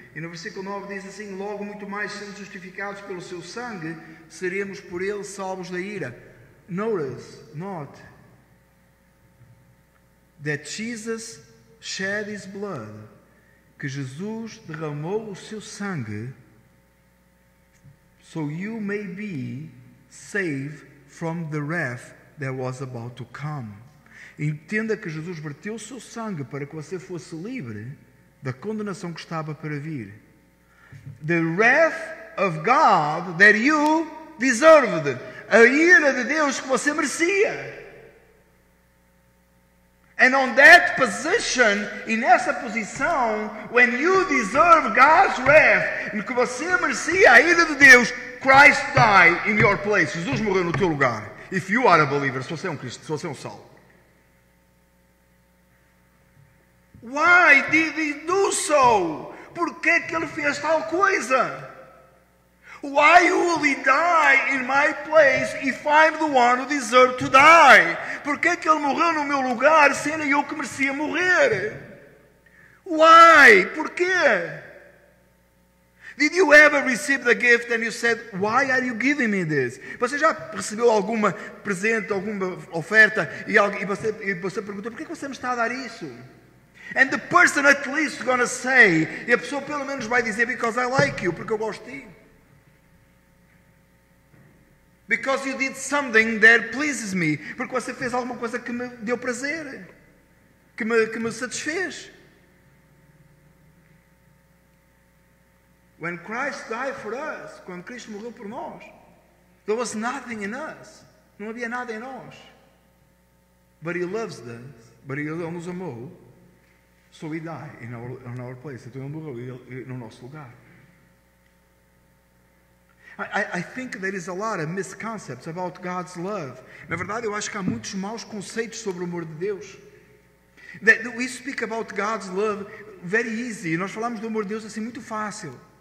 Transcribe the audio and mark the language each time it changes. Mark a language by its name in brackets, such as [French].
[Portuguese] E no versículo 9 diz assim, logo muito mais sendo justificados pelo seu sangue, seremos por ele salvos da ira. [English] Note that Jesus shed his blood, [Portuguese] que Jesus derramou o seu sangue, [English] so you may be saved from the wrath that was about to come. [Portuguese] Entenda que Jesus verteu o seu sangue para que você fosse livre da condenação que estava para vir. [English] The wrath of God that you deserved. [Portuguese] A ira de Deus que você merecia. [English] And on that position, [Portuguese] e nessa posição, [English] when you deserve God's wrath, [Portuguese] e que você merecia a ira de Deus, [English] Christ died in your place. [Portuguese] Jesus morreu no teu lugar. [English] If you are a believer, [Portuguese] se você é um Cristo, se você é um salvo. [English] Why did he do so? [Portuguese] Por que que ele fez tal coisa? [English] Why will he die in my place if I'm the one who deserves to die? [Portuguese] Por que que ele morreu no meu lugar se era eu que merecia morrer? [English] Why? [Portuguese] Por quê? [English] Did you ever receive the gift and you said, why are you giving me this? [Portuguese] Você já recebeu alguma presente, alguma oferta e você perguntou, por que você me está a dar isso? [English] And the person at least is going to say, [Portuguese] e a pessoa pelo menos vai dizer, [English] because I like you, [Portuguese] porque eu gosto de ti. [English] Because you did something that pleases me, [Portuguese] porque você fez alguma coisa que me deu prazer, que me satisfez. [English] When Christ died for us, [Portuguese] quando Cristo morreu por nós, [English] there was nothing in us, [Portuguese] não havia nada em nós. [English] But he loves us, but [Portuguese] ele nos amou, [English] so he died in our place. [Portuguese] Então ele morreu no nosso lugar. [English] I think there is a lot of misconceptions about God's love. [Portuguese] Na verdade, eu acho que há muitos maus conceitos sobre o amor de Deus. [English] That we speak about God's love very easy. [Portuguese] Nós falamos do amor de Deus assim muito fácil.